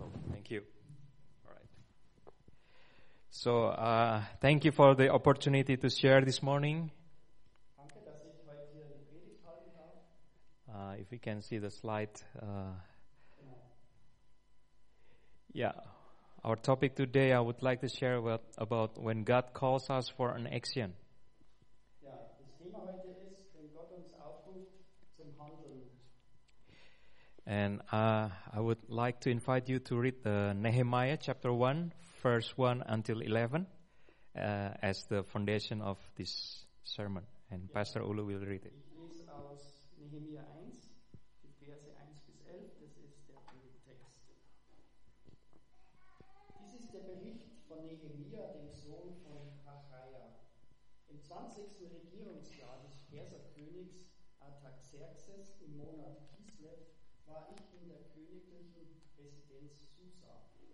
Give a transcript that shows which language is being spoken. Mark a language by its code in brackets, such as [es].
[en] Thank you. All right. So thank you for the opportunity to share this morning. If we can see the slide. Yeah, our topic today I would like to share about when God calls us for an action. [de] Ja, das Thema heute ist, wenn Gott uns aufruft zum Handeln. [en] And I would like to invite you to read Nehemiah chapter 1, verse 1 until 11, as the foundation of this sermon. And ja. Pastor Ulu will read it. [de] Ich lese aus Nehemiah 1, die Verse 1 bis 11, das ist der Text. Bericht von Nehemia, dem Sohn von Achaia. Im 20. Regierungsjahr des Perserkönigs Artaxerxes im Monat Kislev war ich in der königlichen Residenz Susa.